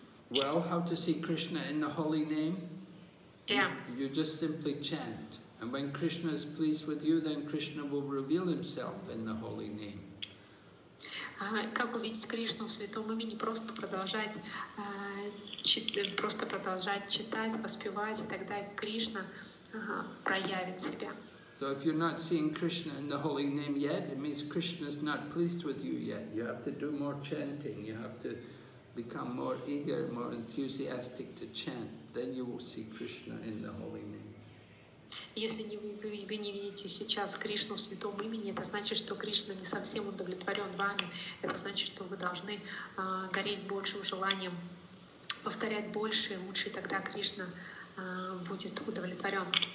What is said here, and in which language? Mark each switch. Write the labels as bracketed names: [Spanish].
[English] Well, how to see Krishna in the holy name? Yeah. You just simply chant. And when Krishna is pleased with you, then Krishna will reveal himself in the holy name. [Russian] Как увидеть Кришну в святом имени? Просто продолжать читать, воспевать, и тогда Кришна проявит себя. [English] So if you're not seeing Krishna in the holy name yet, it means Krishna is not pleased with you yet. You have to do more chanting. You have to become more eager, more enthusiastic to chant, then you will see Krishna in the holy name. [Russian] Если вы не видите сейчас Кришну в святом имени, это значит, что Кришна не совсем удовлетворен вами. Это значит, что вы должны гореть большим желанием, повторять больше и лучше, и тогда Кришна будет удовлетворен.